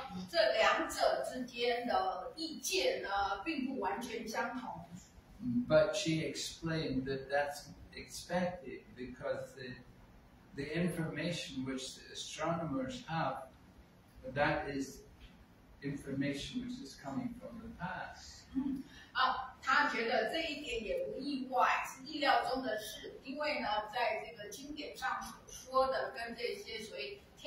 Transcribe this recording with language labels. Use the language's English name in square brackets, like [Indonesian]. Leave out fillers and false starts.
[Chinese] 这两者之间的意见呢，并不完全相同。 [English] But she explained that that's expected because the information which the astronomers have, that is information which is coming from the past. [Chinese] 她觉得这一点也不意外，是意料中的事，因为呢，在这个经典上所说的跟这些所谓